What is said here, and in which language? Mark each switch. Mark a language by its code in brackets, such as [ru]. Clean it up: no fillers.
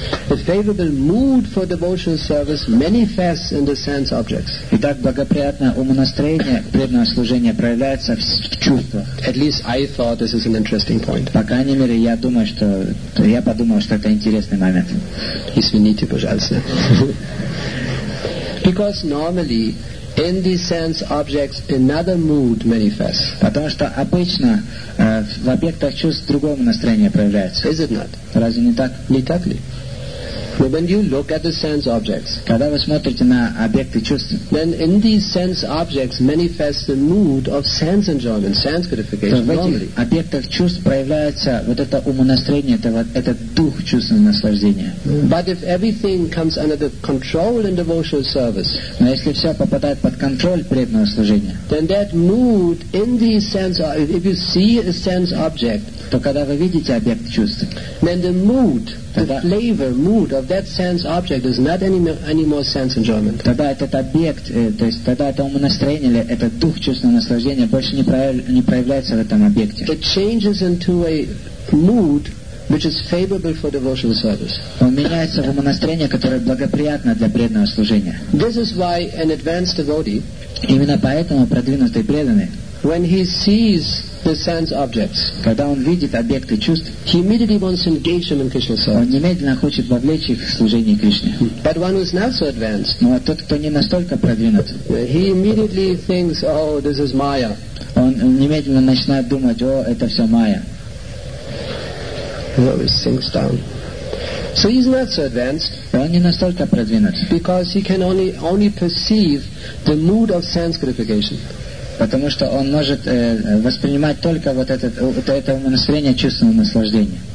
[en] A favorable mood for devotional service manifests in the sense objects. [ru] Итак, благоприятное умонастроение, преданное служение проявляется в чувствах. [en] At least I thought this is an interesting point. [ru] По крайней мере, я подумал, что это интересный момент. Извините, пожалуйста. [en] Because normally in these sense objects another mood manifests. [ru] Потому что обычно в объектах чувств другое настроение проявляется. [en] Is it not? [ru] Разве не так? Не так ли? [en] But when you look at the sense objects, [ru] когда вы смотрите на объекты чувств, [en] then in these sense objects manifests the mood of sense enjoyment, sense gratification. [ru] То в этих объектах чувств проявляется вот это умонастроение, этот дух чувственного наслаждения. [en] But if everything comes under the control in devotional service, [ru] но если все попадает под контроль преданного служения, [en] then that mood in these sense, if you see a sense object, [ru] то когда вы видите объект чувств, [en] then the mood, the flavor, mood of that sense object is not any more sense enjoyment. [ru] Тогда этот объект, то есть тогда это умонастроение или этот дух чувственного наслаждения больше не проявляется в этом объекте. [en] It changes into a mood which is favorable for devotional service. [ru] Он меняется в умонастроение, которое благоприятно для преданного служения. [en] This is why an advanced devotee, [ru] именно поэтому продвинутый преданный, [en] when he sees the sense objects, [ru] когда он видит объекты чувств, [en] he immediately wants to engage them in Krishna service. [ru] Он немедленно хочет вовлечь их в служение Кришне. [en] But one who is not so advanced, [ru] но тот, кто не настолько продвинут, [en] he immediately thinks, oh, this is Maya. [ru] Он немедленно начинает думать, о, это все Maya. [en] He always sinks down. So he's not so advanced. [ru] Он не настолько продвинут. [en] Because he can only perceive the mood of sense gratification. [ru] Потому что он может воспринимать только вот это умонастроение чувственного наслаждения.